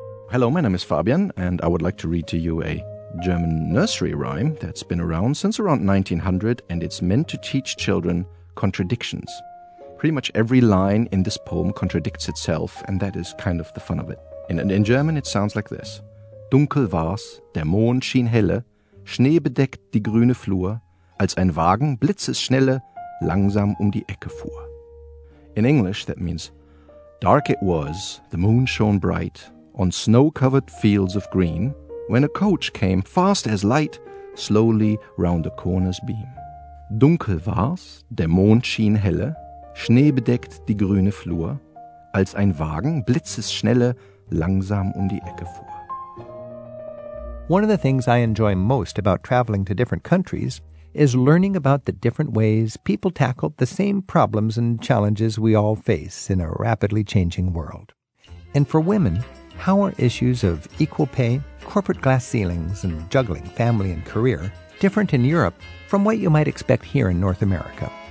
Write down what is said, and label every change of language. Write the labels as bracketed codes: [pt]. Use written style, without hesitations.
[en] Hello, my name is Fabian, and I would like to read to you a German nursery rhyme that's been around since around 1900, and it's meant to teach children contradictions. Pretty much every line in this poem contradicts itself, and that is kind of the fun of it. In German, it sounds like this. [de] Dunkel war's, der Mond schien helle, Schnee bedeckt die grüne Flur, als ein Wagen blitzesschnelle langsam die Ecke fuhr. [en] In English, that means, dark it was, the moon shone bright, on snow-covered fields of green, when a coach came fast as light, slowly round the corner's beam. [de] Dunkel war's, der Mond schien helle, Schnee bedeckt die grüne Flur, als ein Wagen blitzesschnelle langsam die Ecke fuhr. [en] One of the things I enjoy most about traveling to different countries is learning about the different ways people tackle the same problems and challenges we all face in a rapidly changing world. And for women, how are issues of equal pay, corporate glass ceilings, and juggling family and career different in Europe from what you might expect here in North America?